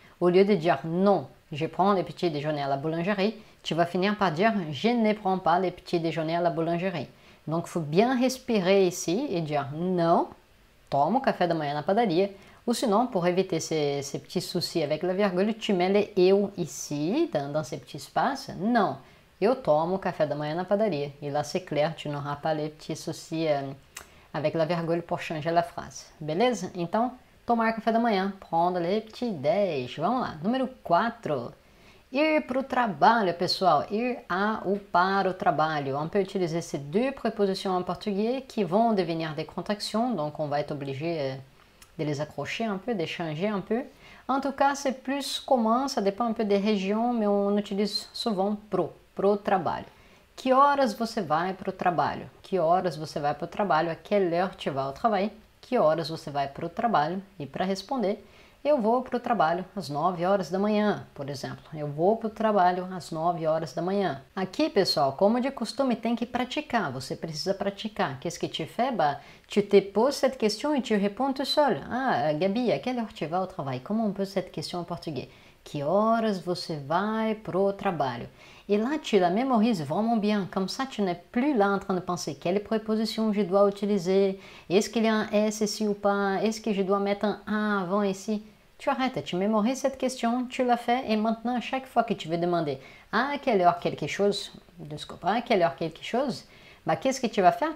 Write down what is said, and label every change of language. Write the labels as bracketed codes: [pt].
[fr] Au lieu de dire non, je prends les petits déjeuners à la boulangerie, tu vas finir par dire je ne prends pas les petits déjeuners à la boulangerie. Donc, il faut bien respirer ici et dire non, [pt] tomo café da manhã na padaria. [fr] Ou sinon, pour éviter ces petits soucis avec la virgule, tu mets les eu ici, dans ces petits espaces. [pt] Non, eu tomo café da manhã na padaria. [fr] Et là, c'est clair, tu n'auras pas les petits soucis avec la virgule pour changer la phrase. [pt] Beleza? Então, tomar café da manhã, [fr] prendre les petits déj. [pt] Vamos lá. Número 4. Ir para o trabalho, pessoal. Ir a ou para o trabalho. [fr] On peut utiliser ces deux prépositions en portugais qui vont devenir des contractions. Donc, on va être obligé de les accrocher un peu, d'échanger un peu. En tout cas, c'est plus commun, ça dépend un peu des régions, mais on utilise souvent [pt] pro trabalho. Que horas você vai para o trabalho? Que horas você vai para o trabalho? [fr] À quelle heure tu vas au travail? [pt] Que horas você vai para o trabalho? E para responder, eu vou para o trabalho às 9 horas da manhã, por exemplo. Eu vou para o trabalho às 9 horas da manhã. Aqui, pessoal, como de costume, tem que praticar. Você precisa praticar. [fr] Qu'est-ce que tu fais? Bah, tu te poses cette question et tu réponds tout seul. Ah, Gabi, à quelle heure tu vas au travail? Comment on pose cette question en portugais? [pt] Que horas você vai para o trabalho? [fr] Et là, tu la mémorises vraiment bien. Comme ça, tu n'es plus là en train de penser quelle préposition je dois utiliser. Est-ce qu'il y a un S ici ou pas? Est-ce que je dois mettre un A avant ici? Tu arrêtes, tu mémorises cette question, tu la fais, et maintenant, chaque fois que tu veux demander à quelle heure quelque chose, de ce copain, à quelle heure quelque chose, bah, qu'est-ce que tu vas faire?